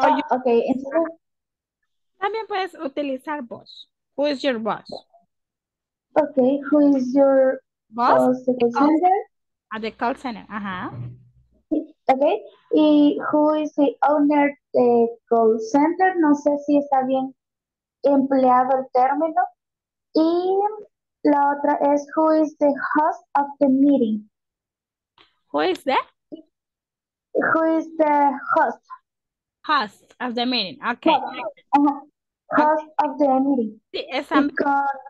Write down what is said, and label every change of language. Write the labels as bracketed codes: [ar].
[es] Okay, entonces también puedes utilizar [en] boss. Who is your boss? Okay, who is your boss [es] de call center? [en] At the call center, ajá. Okay, y who is the owner de call center? [es] No sé si está bien empleado el término. [en] Y la otra es, who is the host of the meeting? Who is the? Who is the host? Host of the meeting, okay. Host of the meeting. [es] Sí, están bien.